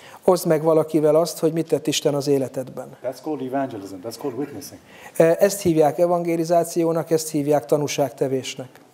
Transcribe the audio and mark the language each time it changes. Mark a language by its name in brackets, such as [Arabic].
[Hungarian] Oszd meg valakivel azt, hogy mit tett Isten az életedben. [English] That's called evangelism. That's called witnessing. [Hungarian] Ezt hívják evangelizációnak, ezt hívják tanúságtevésnek.